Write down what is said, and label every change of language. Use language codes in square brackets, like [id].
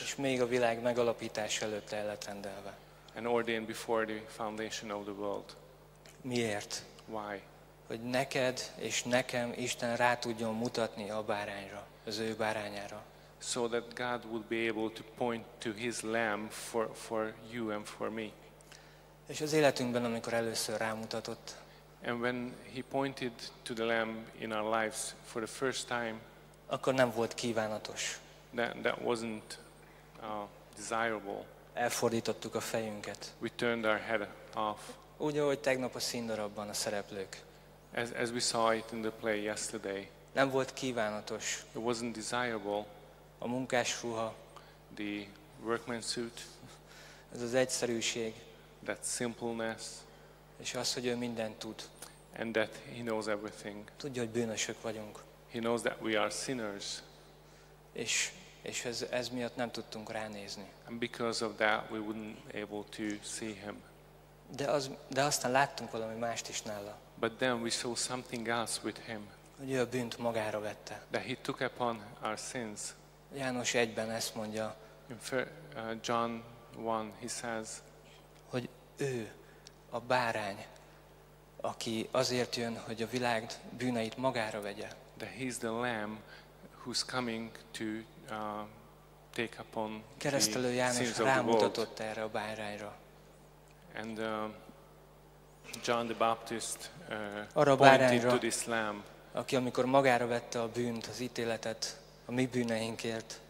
[hu] És még a világ megalapítás előtt el lett rendelve. [en] And ordained before the foundation of the world. [hu] Miért? [en] Why? [hu] Hogy neked és nekem Isten rá tudjon mutatni a bárányra, az ő bárányára. [en] So that God would be able to point to his lamb for you and for me. [hu] És az életünkben, amikor először rámutatott. [en] And when he pointed to the lamb in our lives for the first time. [hu] Akkor nem volt kívánatos. [en] That wasn't desirable. [hu] Elfordítottuk a fejünket. [en] We turned our head off. [hu] Úgy, ahogy tegnap a színdarabban a szereplők. [en] As we saw it in the play yesterday. [hu] Nem volt kívánatos. [en] It wasn't desirable. [hu] A munkás ruha. [en] The workman suit. [hu] Ez az egyszerűség. [en] That simpleness. [hu] És az, hogy ő mindent tud. [en] And that he knows everything. [hu] Tudja, hogy bűnösök vagyunk. [en] He knows that we are sinners. [hu] És ez miatt nem tudtunk ránézni. [en] And because of that we wouldn't able to see him. [hu] De aztán láttunk valami mást is nála. [en] But then we saw something else with him. [hu] Hogy ő a bűnt magára vette. [en] That he took upon our sins. [hu] János 1-ben ezt mondja. [en] In John 1 he says, [hu] hogy ő a bárány, aki azért jön, hogy a világ bűneit magára vegye. [en] That he is the lamb who's coming to take upon the sins of the world. [hu] János rámutatott erre a bárányra. [en] And John the Baptist pointed to this lamb. [hu] Aki amikor magára vette a bűnt, az ítéletet a mi bűneinkért.